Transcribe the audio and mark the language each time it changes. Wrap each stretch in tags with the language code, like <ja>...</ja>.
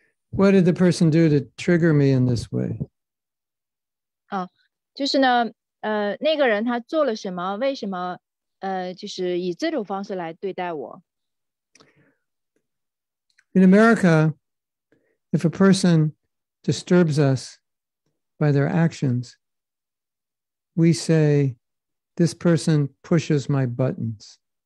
<en>What did the person do to trigger me in this way?</en> <zh>就是呢, 那个人他做了什么, 为什么, 就是以这种方式来对待我?</zh> <en>In America, if a person disturbs us by their actions, we say, this person pushes my buttons.</en>